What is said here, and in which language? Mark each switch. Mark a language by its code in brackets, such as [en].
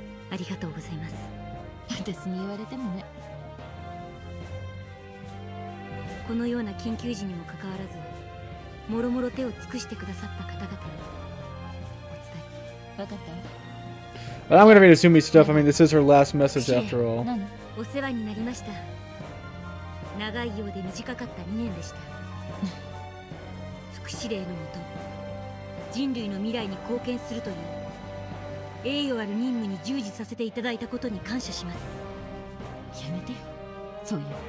[ja] ありがとうございます。私に言われてもね。このような緊急時にもかかわらず、もろもろ手を尽くしてくださった方々にお伝え。わかった。 [en] I'm going to be assuming stuff. I mean, this is her last message after all. [ja] お世話になりました。長いようで短かった2年でした。副司令のもと、人類の未来に貢献するという栄誉ある任務に従事させていただいたことに感謝します。やめてよ、そういう。